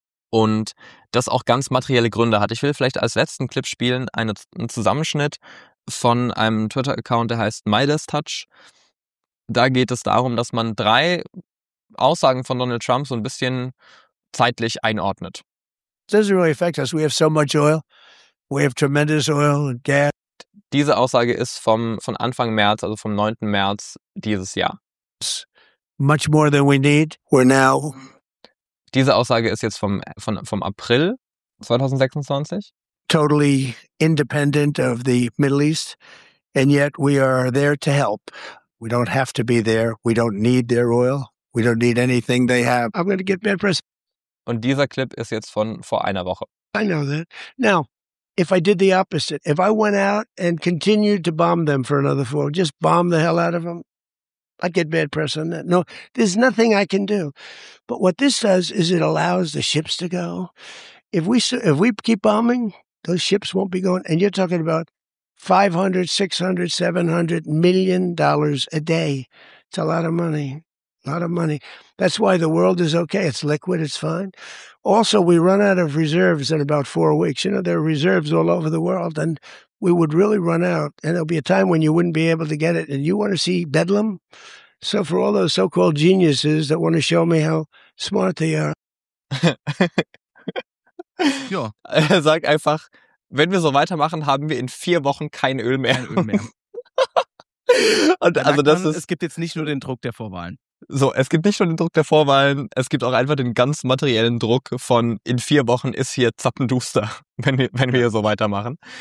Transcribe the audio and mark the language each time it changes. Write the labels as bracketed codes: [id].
[de] Und das auch ganz materielle Gründe hat. Ich will vielleicht als letzten Clip spielen einen Zusammenschnitt von einem Twitter-Account, der heißt Midas Touch. Da geht es darum, dass man drei Aussagen von Donald Trump so ein bisschen zeitlich einordnet. [en] Doesn't really affect us. We have so much oil. We have tremendous oil and gas. [de] Diese Aussage ist von Anfang März, also vom 9. März dieses Jahr. [en] Much more than we need. We're now. [de] Diese Aussage ist jetzt vom April 2026. [en] Totally independent of the Middle East. And yet we are there to help. We don't have to be there. We don't need their oil. We don't need anything they have. I'm going to get bad press. [de] Und dieser Clip ist jetzt von vor einer Woche. [en] I know that. Now, if I did the opposite, if I went out and continued to bomb them for another 4, just bomb the hell out of them, I'd get bad press on that. No, there's nothing I can do. But what this does is it allows the ships to go. If we keep bombing, those ships won't be going. And you're talking about $500, $600, $700 million a day. It's a lot of money. A lot of money. That's why the world is okay. It's liquid. It's fine. Also, we run out of reserves in about 4 weeks. You know, there are reserves all over the world, and we would really run out. And there'll be a time when you wouldn't be able to get it. And you want to see bedlam? So for all those so-called geniuses that want to show me how smart they are. [de] Ja. Er sagt einfach, wenn wir so weitermachen, haben wir in 4 Wochen kein Öl mehr. Kein Öl mehr. Es gibt jetzt nicht nur den Druck der Vorwahlen. So, es gibt nicht nur den Druck der Vorwahlen, es gibt auch einfach den ganz materiellen Druck von in 4 Wochen ist hier zappenduster, wenn wir hier so weitermachen.